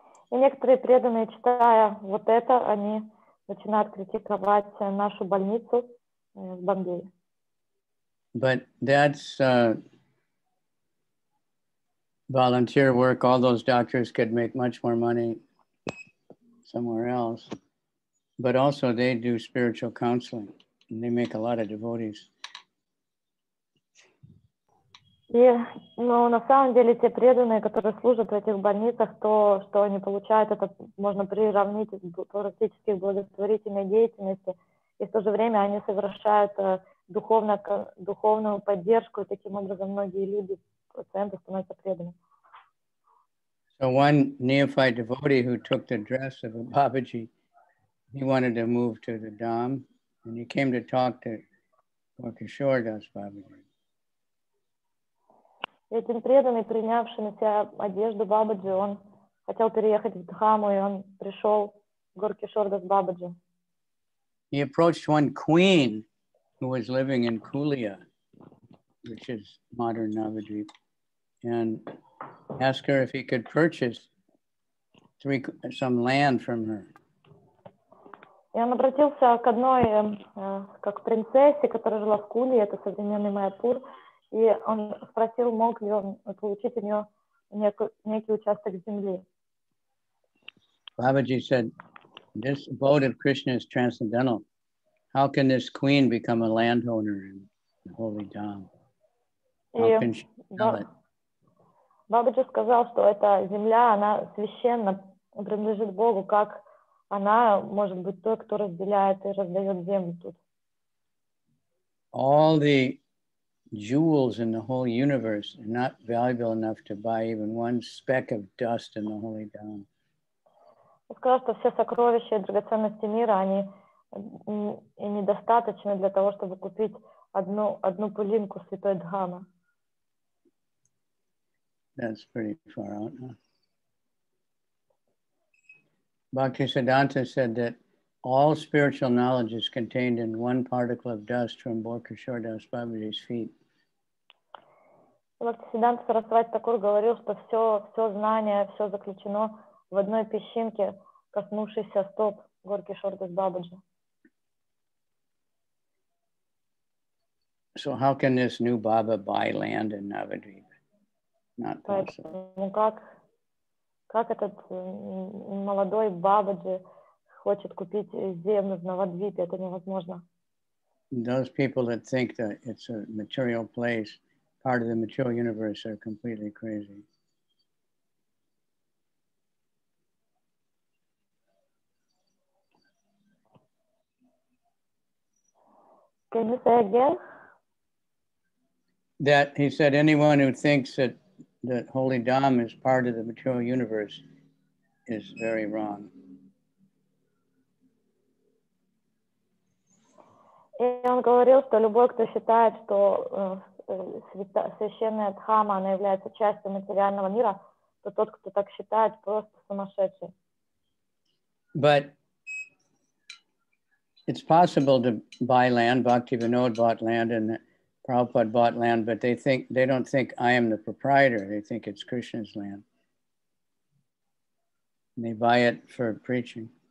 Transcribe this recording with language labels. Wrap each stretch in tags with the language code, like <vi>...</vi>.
<ru>И некоторые преданные, читая вот это, они начинают критиковать нашу больницу в Бомбее.</ru> <en>But that's volunteer work. All those doctors could make much more money somewhere else. But also they do spiritual counseling and they make a lot of devotees.</en> <ru>Но на самом деле те преданные, которые служат в этих больницах, то, что они получают, это можно приравнить к практически благотворительной деятельности. И в то же время они совершают духовную поддержку, и таким образом многие люди, пациенты становятся преданными.</ru> <en>So one neophyte devotee who took the dress of a Babaji, he wanted to move to the Dham, and he came to talk to Kishore Das Babaji.</en> <ru>Этим преданный, принявший на себя одежду Бабаджи, он хотел переехать в Дхаму, и он пришел в Горкишор Дас Бабаджи.</ru> <en>He approached one queen who was living in Kulia, which is modern Navadvip, and asked her if he could purchase some land from her.</en> <ru>И он обратился к одной, как принцессе, которая жила в Кулии, это современный Майяпур. И он спросил, мог ли он получить у нее некий участок земли.</ru> <en>Бабаджи said, this abode of Krishna is transcendental. How can this queen become a landowner in the holy Dham? How can she sell it?</en> <ru>Бабаджи сказал, что эта земля, она священна, принадлежит Богу. Как она может быть той, кто разделяет и раздает землю тут?</ru> <en>All the jewels in the whole universe are not valuable enough to buy even one speck of dust in the holy Dham.</en> <ru>Сказал, что все сокровища и драгоценности мира, они и недостаточны для того, чтобы купить одну пылинку святой Дхамы.</ru> <en>That's pretty far out, huh? Bhaktisiddhanta said that all spiritual knowledge is contained in one particle of dust from Borkeshwar Das Babaji's feet.</en> <ru>Бхактисиддханта Сарасвати Такур говорил, что все знание, все заключено в одной песчинке, коснувшейся стоп Горкишор Дас Бабаджи.</ru> <en>So how can this new Baba buy land in Navadvip? Not possible.</en> <ru>Ну как этот молодой Бабаджи хочет купить землю в Навадвипе? Это невозможно.</ru> <en>Those people that think that it's a material place, part of the material universe, are completely crazy. Can you say again? That he said anyone who thinks that the holy Dham is part of the material universe is very wrong.</en> <ru>И он говорил, что любой, кто считает, что священная Дхама, она является частью материального мира, то тот, кто так считает, просто сумасшедший.</ru> <en>But it's possible to buy land. Bhaktivinoda bought land and Prabhupada bought land, but they don't think I am the proprietor. They think it's Krishna's land. And they buy it for preaching.</en>